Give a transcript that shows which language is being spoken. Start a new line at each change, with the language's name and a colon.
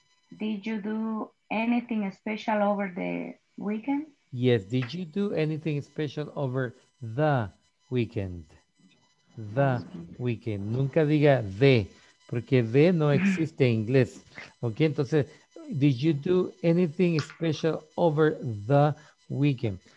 English: Did you do anything special over the weekend? Yes, did you do anything special over the weekend? The weekend.
Spanish: Nunca diga de, porque de no existe en inglés. Ok, entonces,
English: did you do anything special over the weekend?